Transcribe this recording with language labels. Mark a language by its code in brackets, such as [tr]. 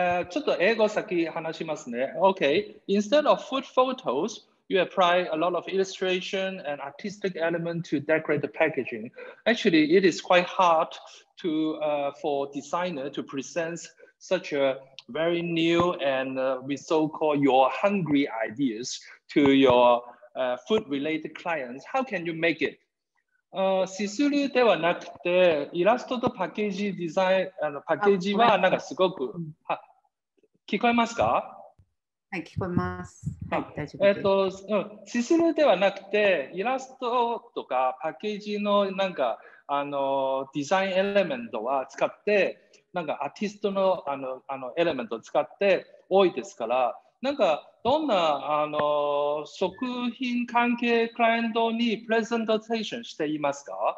[ja] ちょっと英語先話しますね。 [en] Okay, instead of food photos, you apply a lot of illustration and artistic element to decorate the packaging. Actually, it is quite hard to for designer to present such a very new and with so-called your hungry ideas to your food-related clients. How can you make it? [ja] シスルではなくて、イラストとパッケージデザイン、パッケージはなんかすごく、聞こえますか？はい、聞こえます。はい、大丈夫です。システムではなくて、イラストとかパッケージのなんかあのデザインエレメントは使って、なんかアーティストのあのエレメントを使って多いですから、なんかどんなあの食品関係クライアントにプレゼンテーションしていますか？